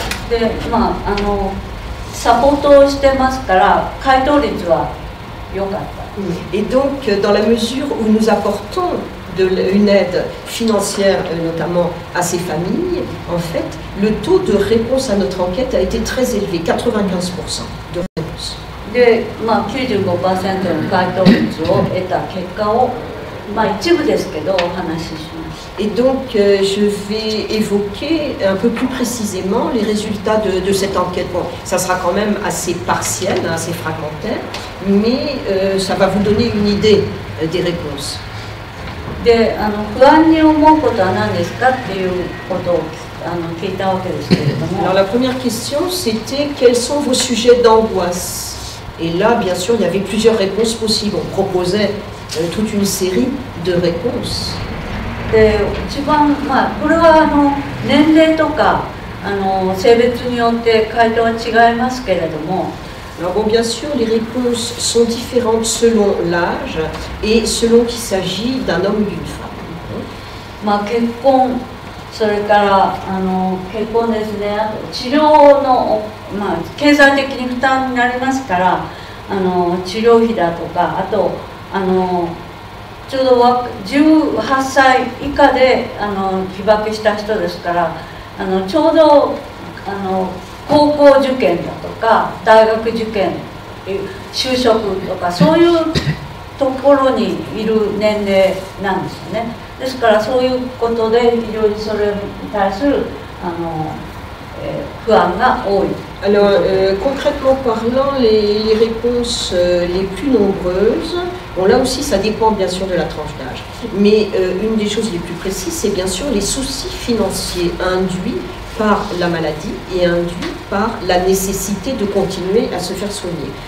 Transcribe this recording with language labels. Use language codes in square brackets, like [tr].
[fr] Et donc, dans la mesure où nous apportons une aide financière, notamment à ces familles, en fait, le taux de réponse à notre enquête a été très élevé, 95% de réponse. [ja] で、まあ、95% の回答率を得た結果を、まあ、一部ですけどお話しします。 [fr] Et donc, je vais évoquer un peu plus précisément les résultats de cette enquête. Bon, ça sera quand même assez partiel, assez fragmentaire, mais ça va vous donner une idée des réponses. [ja] で、あの、不安に思うことは何ですかっていうことをあの、聞いたわけですけれども。 [fr] Alors, la première question, c'était quels sont vos sujets d'angoisse? Et là, bien sûr, il y avait plusieurs réponses possibles. On proposait toute une série de réponses. [ja] で一番、まあ、これはあの年齢とかあの性別によって回答は違いますけれども。 [fr] Alors, bon, bien sûr, les réponses sont différentes selon l'âge et selon qu'il s'agit d'un homme ou d'une femme. [ja] まあ、結婚、それからあの結婚ですね、あと治療の、まあ、経済的に負担になりますから、あの治療費だとか、あと、あのちょうど18歳以下であの被爆した人ですからあのちょうどあの高校受験だとか大学受験就職とかそういうところにいる年齢なんですよね。ですからそういうことで非常にそれに対するあの、不安が多い。 [fr] Alors, concrètement parlant, les réponses les plus nombreuses, bon là aussi ça dépend bien sûr de la tranche d'âge, mais une des choses les plus précises, c'est bien sûr les soucis financiers induits par la maladie et induits par la nécessité de continuer à se faire soigner.